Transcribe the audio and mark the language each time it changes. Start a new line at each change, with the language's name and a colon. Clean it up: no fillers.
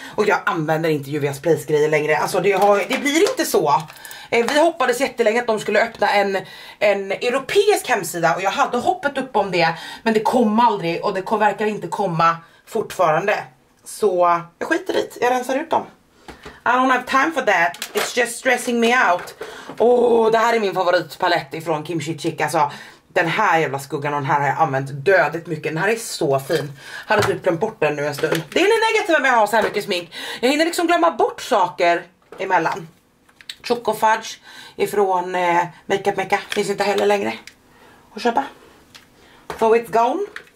Swedish: Och jag använder inte Juvia's Place grejer längre. Alltså det blir inte så. Vi hoppades jättelänge att de skulle öppna en europeisk hemsida, och jag hade hoppet upp om det, men det kom aldrig och det verkar inte komma fortfarande. Så jag skiter dit, jag rensar ut dem.
English: I don't have time for that, it's just stressing me out.
Swedish: Åh, det här är min favoritpalett ifrån Kimchi Chic. Alltså den här jävla skuggan och den här har jag använt dödligt mycket. Den här är så fin. Hade typ glömt bort den nu en stund. Det är det negativa med att ha så här mycket smink. Jag hinner liksom glömma bort saker emellan. Choco Fudge ifrån Makeup Mecca finns inte heller längre att köpa.
English: So it's gone.